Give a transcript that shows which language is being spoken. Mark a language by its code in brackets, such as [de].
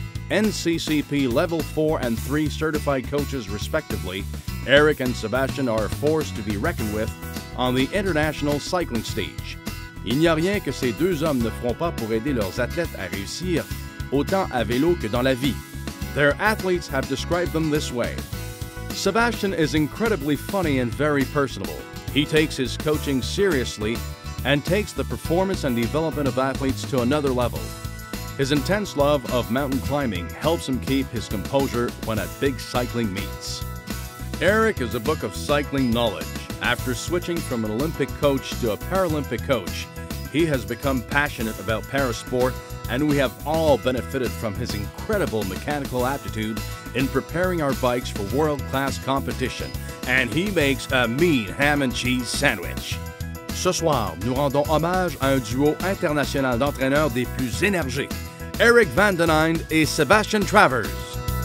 [en] NCCP Level 4 and 3 certified coaches respectively, Eric and Sébastien are a force to be reckoned with on the international cycling stage. [fr] Il n'y a rien que ces deux hommes ne feront pas pour aider leurs athlètes à réussir, autant à vélo que dans la vie. [en] Their athletes have described them this way. Sébastien is incredibly funny and very personable. He takes his coaching seriously and takes the performance and development of athletes to another level. His intense love of mountain climbing helps him keep his composure when at big cycling meets. Eric is a book of cycling knowledge. After switching from an Olympic coach to a Paralympic coach, he has become passionate about parasport, and we have all benefited from his incredible mechanical aptitude in preparing our bikes for world-class competition. And he makes a mean ham and cheese sandwich. [fr] Ce soir, nous rendons hommage à un duo international d'entraîneurs des plus énergiques, Eric van den Eynde et Sébastien Travers.